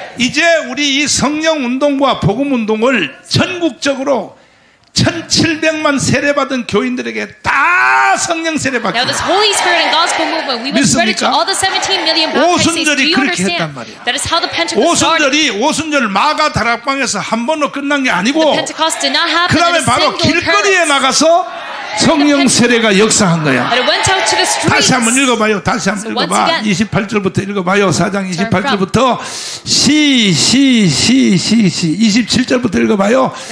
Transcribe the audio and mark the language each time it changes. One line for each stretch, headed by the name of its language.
Korean: 이제 우리 이 성령 운동과 복음 운동을 전국적으로 1,700만 세례 받은 교인들에게 다 성령 세례 받게.
English: Now this Holy Spirit and Gospel movement, we will spread it to all the 17 million Baptists. Do you understand? That is how the Pentecost started.
Korean: 오순절이 오순절 마가 다락방에서 한 번으로 끝난 게 아니고.
English: The Pentecost did not happen.
Korean: 그 다음에 바로 길거리에 나가서 성령 세례가 역사한 거야.
English: But it went out to the streets.
Korean: 다시 한번 읽어봐요. 다시 한번 읽어봐. 28절부터 읽어봐요. 4장 28절부터 27절부터 읽어봐요.